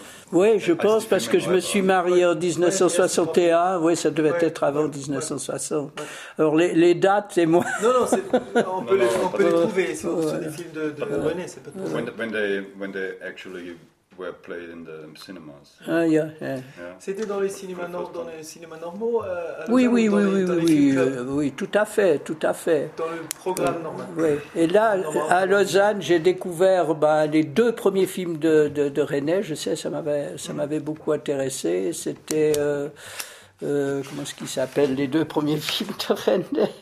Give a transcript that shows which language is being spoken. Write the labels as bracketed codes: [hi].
[fr] Oui, je pense, parce que je me suis marié en 1961. Oui, ça devait être avant 1960. Alors les dates et moi. Non, on peut les trouver. C'est des films de René, c'est pas possible. [en] When they actually were played in the cinemas. Ah, yeah. Yeah. [fr] C'était dans les cinémas normaux. Oui, tout à fait. Dans le programme normal. Oui. Et là, à Lausanne, j'ai découvert les deux premiers films de René. Je sais, ça m'avait beaucoup intéressé. C'était comment est-ce qu'il s'appelle, les deux premiers films de René?